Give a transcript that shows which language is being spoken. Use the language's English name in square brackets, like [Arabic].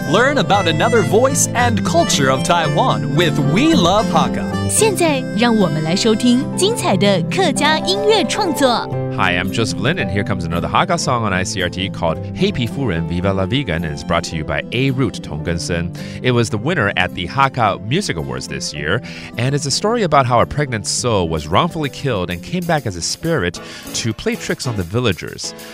[English] Learn about another voice and culture of Taiwan with We Love Hakka. [Chinese] 现在让我们来收听精彩的客家音乐创作。 [English] Hi, I'm Joseph Lin, and here comes another Hakka song on ICRT called Hakka 夫人 Viva La Vegan, and it's brought to you by A Root 同根生. It was the winner at the Hakka Music Awards this year, and it's a story about how a pregnant soul was wrongfully killed and came back as a spirit to play tricks on the villagers.